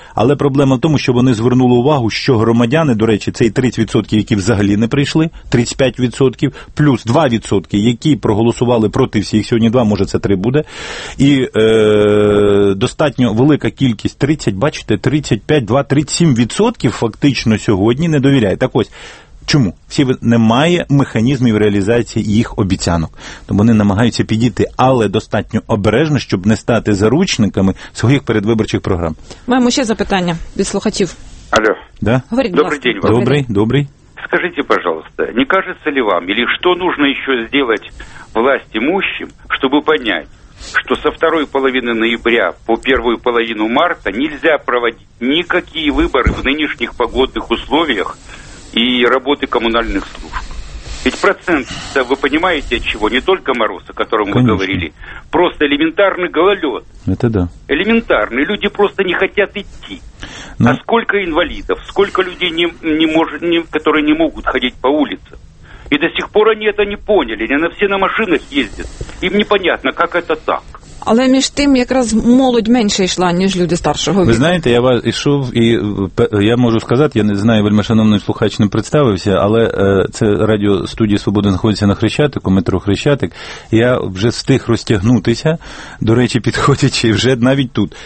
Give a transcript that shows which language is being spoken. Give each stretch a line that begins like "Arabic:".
Ukrainian: Але проблема в тому, що вони звернули увагу, що громадяни, до речі, цей 30%, які взагалі не прийшли, 35%, плюс 2%, які проголосували проти всіх, сьогодні 2, може це 3 буде, і достатньо велика кількість, 30, бачите, 35, 2, 37% фактично сьогодні не довіряє. Так ось, чому? Всі немає механізмів реалізації їх обіцянок. Тому вони намагаються підійти, але достатньо обережно, щоб не стати заручниками своїх передвиборчих програм. Маємо ще запитання від слухачів. Алло.
Russian: Да?
Ukrainian: Говорить, добрий день. Добрий, добрий, добрий.
Russian: Скажите, пожалуйста, не кажется ли вам, или что нужно еще сделать власть имущим, чтобы понять, что со второй половины ноября по первую половину марта нельзя проводить никакие выборы в нынешних погодных условиях и работы коммунальных служб. Ведь процент, да, вы понимаете, от чего? Не только мороз, о котором конечно, мы говорили. Просто элементарный гололед. Это да. Элементарный. Люди просто не хотят идти. Но... А сколько инвалидов, сколько людей, которые не могут ходить по улице. И до сих пор они это не поняли. Они все на машинах ездят. Им непонятно, как это так.
Ukrainian: Але між тим якраз молодь менше йшла, ніж люди старшого віку. Ви знаєте, я вас ішов, і я можу сказати, я не знаю, вельмишановний слухач не представився, але це радіостудія «Свобода» знаходиться на Хрещатику, метро Хрещатик. Я вже встиг розтягнутися, до речі, підходячи вже навіть тут.